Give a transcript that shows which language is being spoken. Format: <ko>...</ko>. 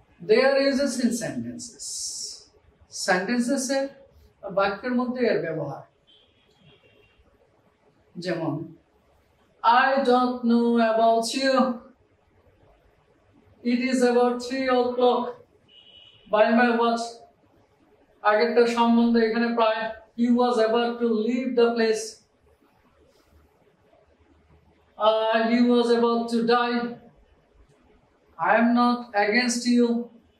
<en>There uses in sentences.</en> <bn>Sentences এ বাক্যের মধ্যে এর ব্যবহার, যেমন</bn> <en>I don't know about you. It is about 3 o'clock by my watch.</en> <bn>আগেরটা সম্বন্ধে এখানে প্রায়</bn> <en>he was about to leave the place. He was about to die. I am not against you.</en>